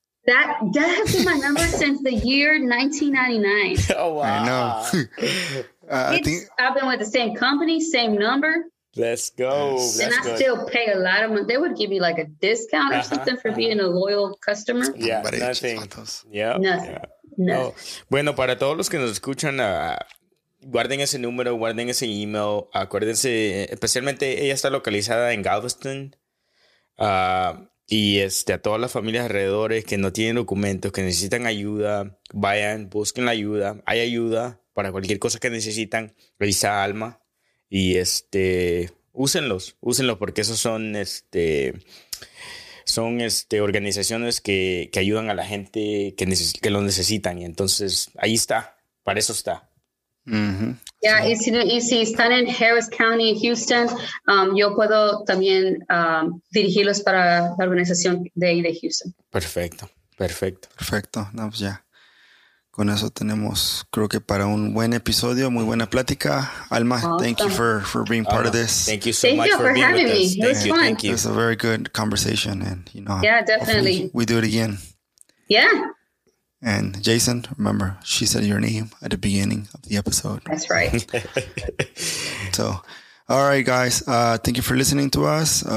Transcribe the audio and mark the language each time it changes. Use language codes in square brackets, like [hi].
[en] That has been my number since the year 1999. Oh, wow. I know. I've been with the same company, same number. Let's go. And let's still pay a lot of money. They would give you like a discount or something for being a loyal customer. Yeah, but nothing. Nothing. No. [es] Bueno, para todos los que nos escuchan, guarden ese número, guarden ese email. Acuérdense, especialmente ella está localizada en Galveston. Y a todas las familias alrededores que no tienen documentos, que necesitan ayuda, vayan, busquen la ayuda. Hay ayuda para cualquier cosa que necesitan. Revisa Alma. Y úsenlos porque esos son organizaciones que ayudan a la gente que lo necesitan. Y entonces ahí está, para eso está. Mm-hmm. Yeah, y si están en Harris County, Houston, yo puedo también dirigirlos para la organización de ahí de Houston. Perfecto. No, pues ya. Con eso tenemos, creo que para un buen episodio, muy buena plática. [en] Alma, awesome. Thank you for being part of this. Thank you so thank much you for being having with me. Us. It was fun. Thank you. It was a very good conversation. And, yeah, definitely. We do it again. Yeah. And Jason, remember, she said your name at the beginning of the episode. That's right. So, all right, guys. Thank you for listening to us.